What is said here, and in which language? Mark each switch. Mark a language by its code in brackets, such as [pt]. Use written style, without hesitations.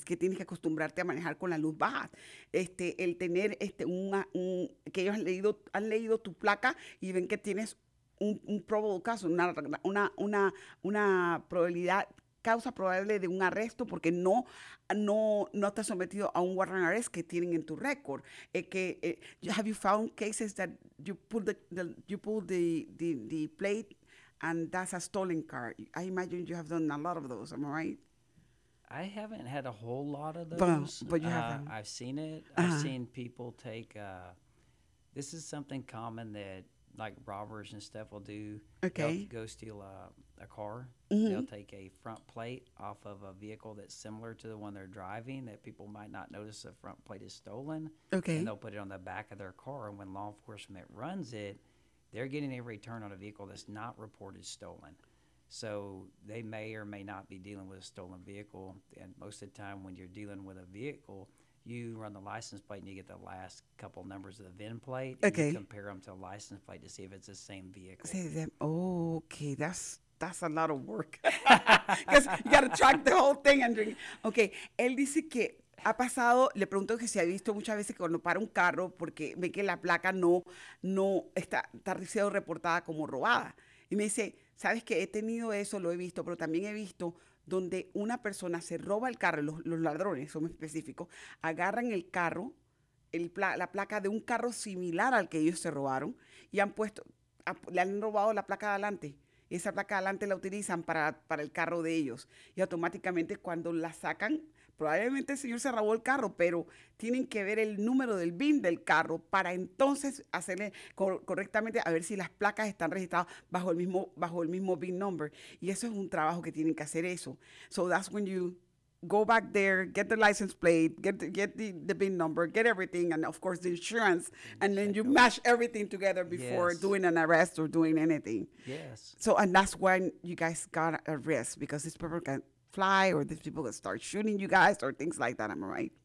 [es] Así que tienes que acostumbrarte a manejar con la luz baja. El tener que ellos han leído tu placa y ven que tienes un probable caso, una probabilidad, causa probable de un arresto porque no estás sometido a un warrant arrest que tienen en tu récord. [en] Have you found cases that you pull the plate and that's a stolen car? I imagine you have done a lot of those, am I right? I haven't had a whole lot of those. But you haven't. I've seen it. Uh-huh. I've seen people take, this is something common that like robbers and stuff will do. Okay. They'll go steal a car. Mm-hmm. They'll take a front plate off of a vehicle that's similar to the one they're driving that people might not notice the front plate is stolen. Okay. And they'll put it on the back of their car. And when law enforcement runs it, they're getting a return on a vehicle that's not reported stolen. So they may or may not be dealing with a stolen vehicle. And most of the time when you're dealing with a vehicle, you run the license plate and you get the last couple numbers of the VIN plate. Okay. And you compare them to a license plate to see if it's the same vehicle. Okay. That's a lot of work. Because you got to track the whole thing and drink. Okay. [es] Él dice que ha pasado, le pregunto que si ha visto muchas veces que cuando para un carro porque ve que la placa no está siendo reportada como robada. Y me dice, ¿sabes qué? He tenido eso, lo he visto, pero también he visto donde una persona se roba el carro, los ladrones son específicos, agarran el carro, la placa de un carro similar al que ellos se robaron y le han robado la placa de adelante. Y esa placa de adelante la utilizan para el carro de ellos. Y automáticamente cuando la sacan, probablemente el señor se robó el carro, pero tienen que ver el número del VIN del carro para entonces hacerle correctamente a ver si las placas están registradas bajo el mismo VIN number. Y eso es un trabajo que tienen que hacer eso. [en] So that's when you go back there, get the license plate, get the VIN number, get everything, and of course the insurance, and then you mash everything together before doing an arrest or doing anything. Yes. So, and that's when you guys got a risk because this person can fly or these people can start shooting you guys or things like that, am I right?